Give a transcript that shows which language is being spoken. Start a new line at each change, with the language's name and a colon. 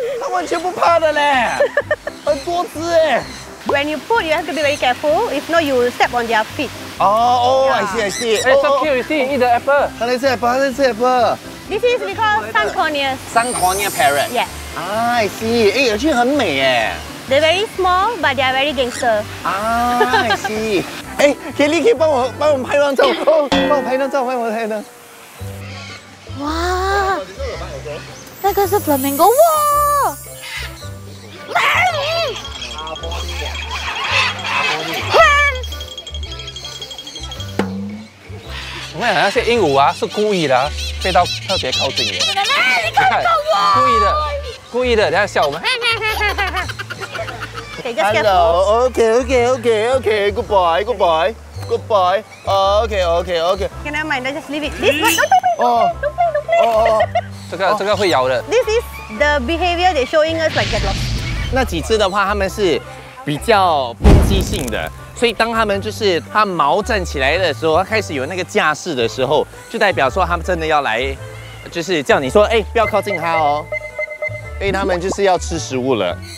Chinese: 他完全不怕的嘞，很多只哎。
English: When you put, you have to be very careful. If not, you will step on their feet. Oh, I see. It's so cute. You see, eat the apple.
Chinese: 他在吃 apple.
English: This is because sun cornea. Sun cornea parrot. Yeah. I see.
Chinese: 哎，而且很美哎。 They're very small, but they are very gangster.
English: I see.
Chinese: 哎 ，Kelly 可以帮我拍张照，帮我拍张照。哇，那个是 flamingo 哇！我跟你讲，那些鹦鹉啊是故意的，飞到特别靠近你。奶奶，你看到我？故意的，等下笑我们。
English: Hello, okay, goodbye. Okay. Never mind, I just leave it. This one, don't play.
Chinese: 这个会咬的。
English: This is the behavior they showing us like that.
Chinese: 那几只的话，他们是比较攻击性的，所以当他们就是他毛站起来的时候，他开始有那个架势的时候，就代表说他们真的要来，就是叫你说，哎，不要靠近他哦，因为他们就是要吃食物了。